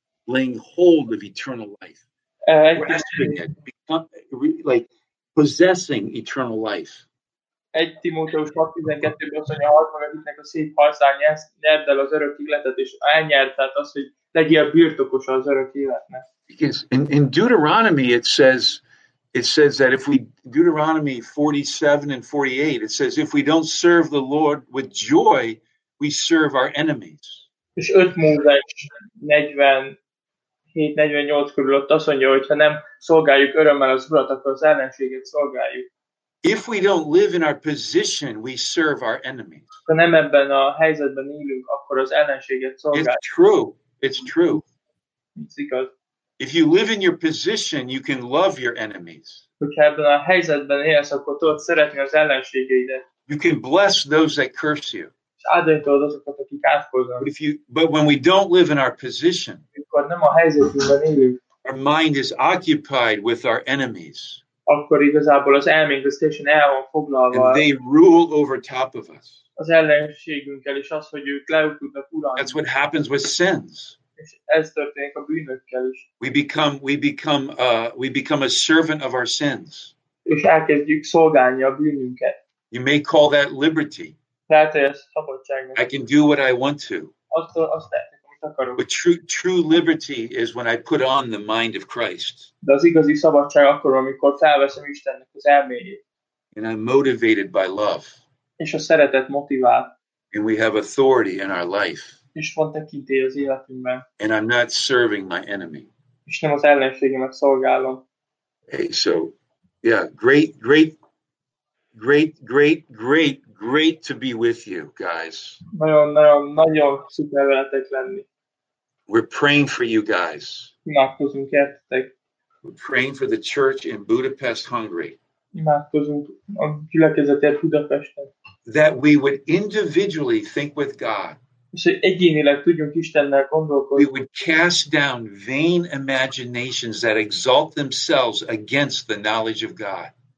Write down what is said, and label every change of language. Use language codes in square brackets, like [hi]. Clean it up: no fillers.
[en] Laying hold of eternal life. Grasping it. Like, possessing eternal life. [hu] 1 Timóteus 6:12-ben azt mondja, hogy az, akinek a szép harcán nyersz, nyerd el az örök életet, és elnyert, tehát az, hogy legyél birtokos az örök életnek. [en] Because in Deuteronomy it says that if we, Deuteronomy 47 and 48, it says, if we don't serve the Lord with joy, we serve our enemies. [hu] És 5 Mózes 47-48 körül ott azt mondja, hogyha nem szolgáljuk örömmel az Urat, akkor az ellenséget szolgáljuk. [en] If we don't live in our position, we serve our enemies. [hu] Ha nem ebben a helyzetben élünk, akkor az ellenséget szolgáljuk. [en] It's true. It's true. It's [hu] igaz. [en] If you live in your position, you can love your enemies. [hu] Hogyha ebben a helyzetben élsz, akkor tudod szeretni az ellenségeidet. [en] You can bless those that curse you. [hu] És áldozod azokat, akik átkoznak. [en] But when we don't live in our position, [hu] akkor nem a helyzetünkben élünk, [en] our mind is occupied with our enemies. [hu] Akkor igazából az elménk az teljesen el van foglalva. [en] And they rule over top of us. [hu] Az ellenségünkkel, és az, hogy ők le tudnak uralni. [en] That's what happens with sins. [hu] ez történik a bűnökkel is. [en] We become a servant of our sins. [hu] És elkezdjük szolgálni a bűnünket. [en] You may call that liberty. [hu] Tehát ez szabadság. [en] I can do what I want to. [hu] Azt tehetek, amit akarok. [en] But true liberty is when I put on the mind of Christ. [hu] De az igazi szabadság akkor, amikor felveszem Istennek az elméjét. [en] And I'm motivated by love. [hu] És a szeretet motivál. [en] And we have authority in our life. [hu] És van tekintély az életünkben. [en] And I'm not serving my enemy. [hu] És nem az ellenségemet szolgálom. [en] Hey, so, yeah, great to be with you, guys. [hu] Nagyon, nagyon, nagyon szuper veletek lenni. [en] We're praying for you guys. [hu] Imádkozunk értetek. [en] We're praying for the church in Budapest, Hungary. [hu] Imádkozunk a gyülekezetért Budapesten. [en] That we would individually think with God. [hu] És hogy egyénileg tudjunk Istennel gondolkodni. [en] We would cast down vain imaginations that exalt themselves against the knowledge of God.